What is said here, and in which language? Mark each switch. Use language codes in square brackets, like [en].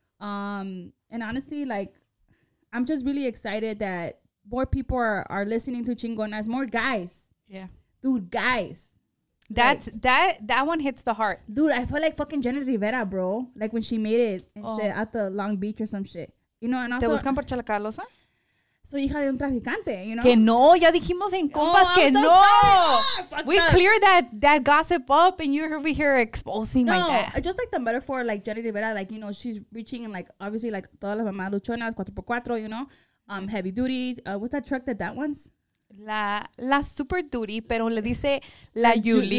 [en] And honestly, like, I'm just really excited that more people are listening to Chingonas. More guys. Yeah. Dude, guys. That one hits the heart. Dude, I feel like fucking Jenna Rivera, bro. Like when she made it and shit at the Long Beach or some shit. You know, and also. [es] ¿Te buscan por Chela Carlosa? Soy hija de un traficante, you know? Que no, ya dijimos en compas que no. [en] We cleared that gossip up and you're over here exposing my dad. No, just like the metaphor, like Jenny Rivera, like, you know, she's reaching and like, obviously, like, [es] todas las mamás luchonas, [en] 4x4, you know, heavy duty. What's that truck that wants? [es] La Super Duty, pero le dice La Yuli.